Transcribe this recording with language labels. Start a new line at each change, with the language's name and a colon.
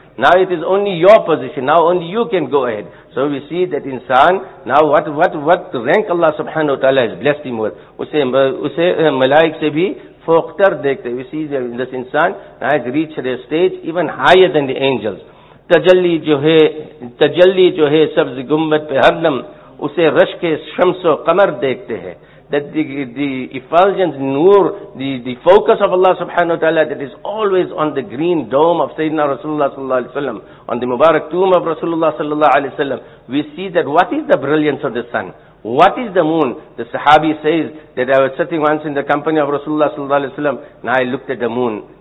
English: Now it is only your position, now only you can go ahead. So we see that insan, now what rank Allah subhanahu wa ta'ala has blessed him with.
Urdu: Usse malaik se bhi foktar dekhte.
English: We see that this insan now has reached a stage even higher than the angels.
Urdu: تجلی جو ہے سبز گنبد پہ ہر دم اسے رشک شمس و قمر دیکھتے ہیں.
English: That the effulgent nur, the focus of Allah subhanahu wa ta'ala, that is always on the green dome of Sayyidina Rasulullah sallallahu alayhi wa sallam, on the mubarak tomb of Rasulullah sallallahu alayhi wa sallam, we see that what is the brilliance of the sun? What is the moon? The sahabi says that I was sitting once in the company of Rasulullah sallallahu alayhi wa sallam, and I looked at the moon.